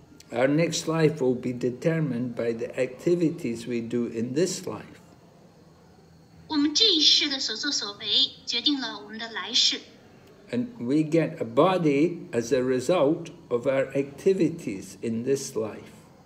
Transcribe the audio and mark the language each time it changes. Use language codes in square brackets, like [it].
[en] Our next life will be determined by the activities we do in this life. [zh] 我们这一世的所作所为决定了我们的来世。 [en] And we get a body as a result of our activities in this life.